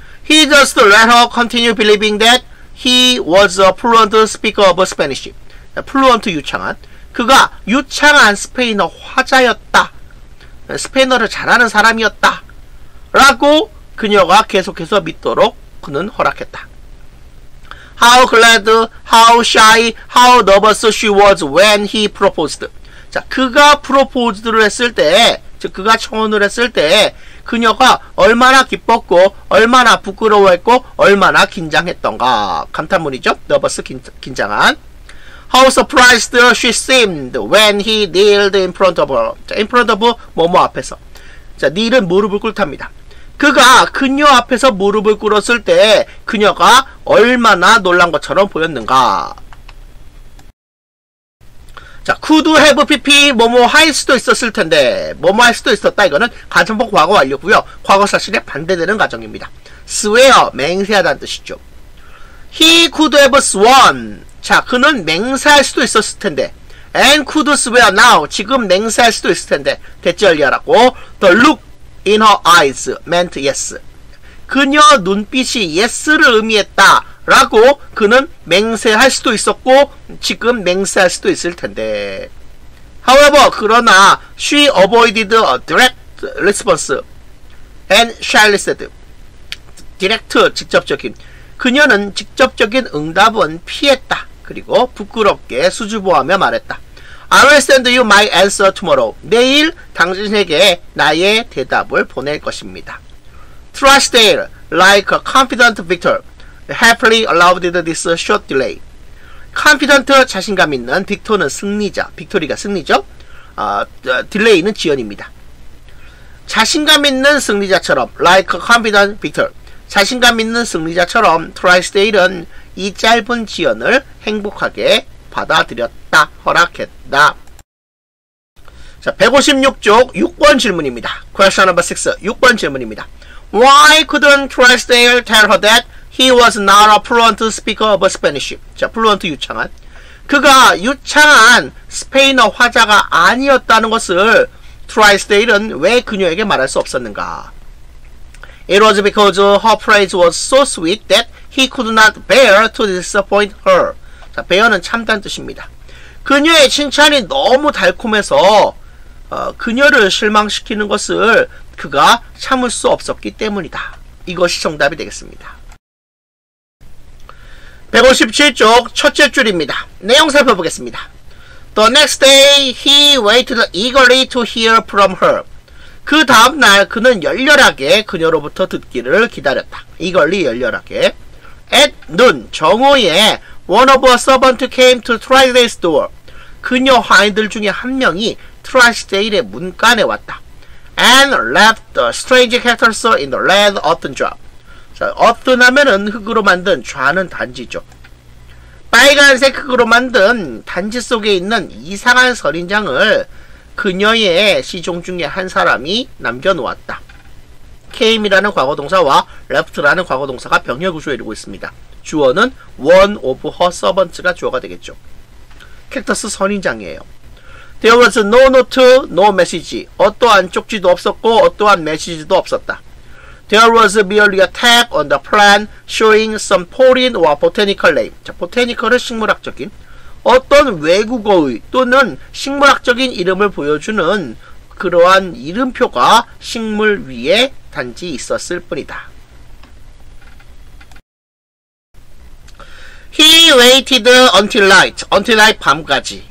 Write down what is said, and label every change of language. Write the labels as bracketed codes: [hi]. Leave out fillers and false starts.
[en] He just let her continue believing that he was a fluent speaker of Spanish. [ko] Fluent 유창한. 그가 유창한 스페인어 화자였다. 스페인어를 잘하는 사람이었다. 라고 그녀가 계속해서 믿도록 그는 허락했다. [en] How glad, how shy, how nervous she was when he proposed. [ko] 자, 그가 프로포즈를 했을 때, 즉 그가 청혼을 했을 때 그녀가 얼마나 기뻤고 얼마나 부끄러워했고 얼마나 긴장했던가. 감탄문이죠. nervous, 긴장한. [en] How surprised she seemed when he kneeled in front of her. [ko] 자, in front of 뭐뭐 앞에서. 자, kneel은 무릎을 꿇답니다. 그가 그녀 앞에서 무릎을 꿇었을 때 그녀가 얼마나 놀란 것처럼 보였는가. 자, could have PP 뭐뭐 할 수도 있었을 텐데. 뭐뭐 할 수도 있었다. 이거는 가정법 과거 완료고요. 과거 사실에 반대되는 가정입니다. [en] swear, [ko] 맹세하다는 뜻이죠. [en] He could have sworn. [ko] 자, 그는 맹세할 수도 있었을 텐데. [en] And could swear now. [ko] 지금 맹세할 수도 있을 텐데. 대지얼리하라고. [en] The look in her eyes meant yes. [ko] 그녀 눈빛이 yes를 의미했다. 라고 그는 맹세할 수도 있었고 지금 맹세할 수도 있을 텐데. [en] However, [ko] 그러나 [en] she avoided a direct response and shyly said. [ko] direct, 직접적인. 그녀는 직접적인 응답은 피했다. 그리고 부끄럽게 수줍어하며 말했다. [en] I will send you my answer tomorrow. [ko] 내일 당신에게 나의 대답을 보낼 것입니다. [en] Trusted, like a confident victor, happily allowed this short delay. [ko] Confident, 자신감 있는, victor는 승리자, 빅토리가 승리죠. Delay는 지연입니다. 자신감 있는 승리자처럼, [en] like a confident victor, [ko] 자신감 있는 승리자처럼 Trisdale은 이 짧은 지연을 행복하게 받아들였다, 허락했다. 자, 156쪽 6번 질문입니다. [en] Question number 6, [ko] 6번 질문입니다. [en] Why couldn't Trisdale tell her that he was not a fluent speaker of Spanish? [ko] 자, fluent 유창한. 그가 유창한 스페인어 화자가 아니었다는 것을 Trisdale은 왜 그녀에게 말할 수 없었는가? [en] It was because her praise was so sweet that he could not bear to disappoint her. [ko] 자, bear는 참다는 뜻입니다. 그녀의 칭찬이 너무 달콤해서 그녀를 실망시키는 것을 그가 참을 수 없었기 때문이다. 이것이 정답이 되겠습니다. 157쪽 첫째 줄입니다. 내용 살펴보겠습니다. [en] The next day he waited eagerly to hear from her. [ko] 그 다음 날 그는 열렬하게 그녀로부터 듣기를 기다렸다. [en] eagerly, [ko] 열렬하게. [en] At noon, [ko] 정오에 [en] one of a servant came to Trisdale's door. [ko] 그녀 하인들 중에 한 명이 Trisdale의 문간에 왔다. [en] And left the strange characters in the red earthen jar. [ko] 자, earthen 하면은 흙으로 만든, 좌는 단지죠. 빨간색 흙으로 만든 단지 속에 있는 이상한 선인장을 그녀의 시종 중에 한 사람이 남겨놓았다. K came이라는 과거동사와 left라는 과거동사가 병역구조에 이루고 있습니다. 주어는 [en] one of her servants [ko] 가 주어가 되겠죠. 캐터스 선인장이에요. [en] There was no note, no message. [ko] 어떠한 쪽지도 없었고 어떠한 메시지도 없었다. [en] There was merely a tag on the plant showing some foreign or botanical name. [ko] 자, botanical은 식물학적인 어떤 외국어의 또는 식물학적인 이름을 보여주는 그러한 이름표가 식물 위에 단지 있었을 뿐이다. [en] He waited until night. Until night, [ko] 밤까지.